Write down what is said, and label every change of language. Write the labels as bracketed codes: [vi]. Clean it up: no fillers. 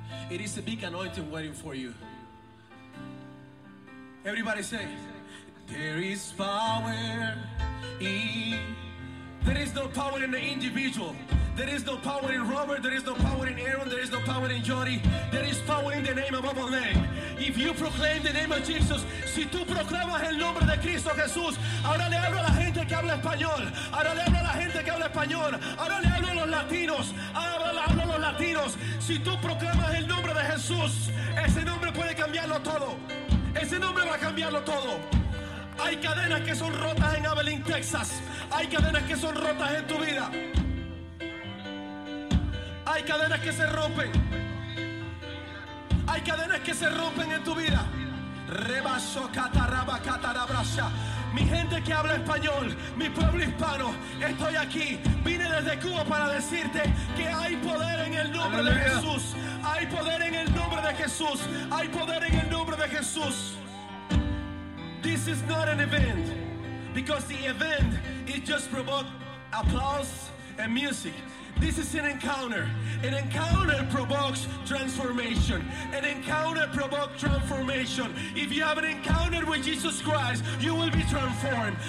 [en] It is a big anointing waiting for you. Everybody say, there is power in. There is no power in the individual. There is no power in Robert. There is no power in Aaron. There is no power in Jody. There is power in the name above all name. If you proclaim the name of Jesus, [es] si tú proclamas el nombre de Cristo Jesús, ahora le hablo a la gente que habla español. Ahora le hablo a la gente que habla español. Ahora le hablo a los latinos. Ahora le hablo a los latinos. Si tú proclamas el nombre de Jesús, ese nombre puede cambiarlo todo. Ese nombre va a cambiarlo todo. Hay cadenas que son rotas en Abilene, Texas. Hay cadenas que son rotas en tu vida. Hay cadenas que se rompen. Hay cadenas que se rompen en tu vida. Rebaso cataraba catarabrasha. Mi gente que habla español, mi pueblo hispano, estoy aquí. Vine desde Cuba para decirte que hay poder en el nombre de Jesús. Hay poder en el nombre de Jesús. Hay poder en el nombre de Jesús. [en] This is not an event, because the event is just about applause and music. This is an encounter. An encounter provokes transformation. An encounter provokes transformation. If you have an encounter with Jesus Christ, you will be transformed.